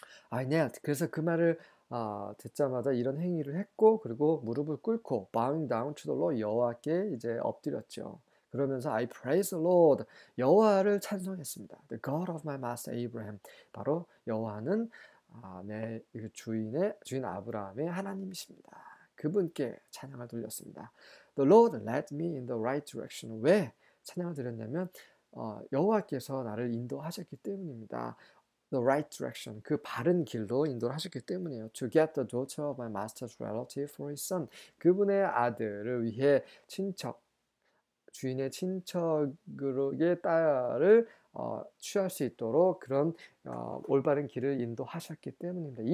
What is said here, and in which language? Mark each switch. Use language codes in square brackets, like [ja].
[en] I knelt. [ko] 그래서 그 말을 듣자마자 이런 행위를 했고 그리고 무릎을 꿇고 [en] bowing down to the Lord [ko] 여호와께 이제 엎드렸죠. 그러면서 [en] I praise the Lord [ko] 여호와를 찬송했습니다. [en] The God of my master Abraham [ko] 바로 여호와는 내 주인 아브라함의 하나님이십니다. 그분께 찬양을 돌렸습니다. [en] The Lord led me in the right direction. [ko] 왜 찬양을 드렸냐면 여호와께서 나를 인도하셨기 때문입니다. [en] The right direction [ko] 그 바른 길로 인도를 하셨기 때문이에요. [en] To get the daughter of my master's relative for his son [ko] 그분의 아들을 위해 친척 주인의 친척으로의 딸을 취할 수 있도록 그런 올바른 길을 인도하셨기 때문입니다.